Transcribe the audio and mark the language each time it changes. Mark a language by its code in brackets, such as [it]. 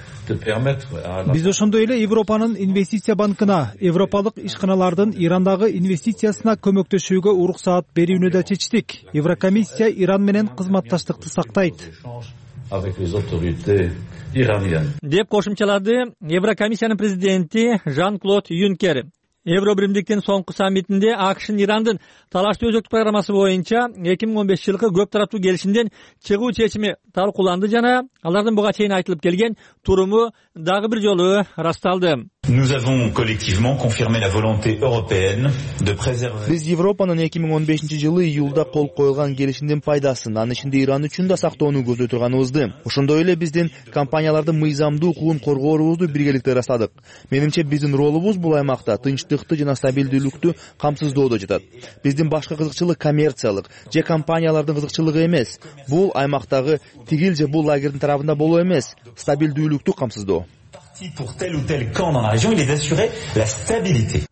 [ky] Биз ошондой эле Европанын инвестиция банкына европалык ишканалардын Ирандагы инвестициясына көмөктөшүүгө уруксат берүүнү да чечтик. Еврокомиссия Иран менен кызматташтыкты сактайт. [fr] Avec les autorités iraniennes. [ky] Деп кошумчалады Еврокомиссиянын президенти Жан-Клод Юнкер. Евробиримдиктин соңку саммитинде АКШ Ирандын талаштуу өзөктүк программасы боюнча 2015-жылкы көп тараптуу келишимден чыгуу чечими талкууланды жана алардын буга чейин айтылып келген туруму дагы бир жолу расталды. [fr] Nous avons collectivement confirmé la volonté européenne de préserver. [ky] Биз Европанын 2015-жылы июлда кол коюлган келишимдин пайдасын, анын ичинде Иран үчүн да сактоону көздөй турганыбызды. Ошондой эле биздин компаниялардын мыйзамдуу укугун коргоорубузду биргеликте ырастадык. Менимче биздин ролубуз бул аймакта тынчтыкты жана стабилдүүлүктү камсыздоодо жатат. Биздин башкы кызыкчылык коммерциялык же компаниялардын кызыкчылыгы эмес. Бул аймактагы тигил же бул лагердин тарабында болуу эмес, стабилдүүлүктү камсыздоо. [fr] Pour tel ou tel camp dans la région, il est d'assurer la stabilité.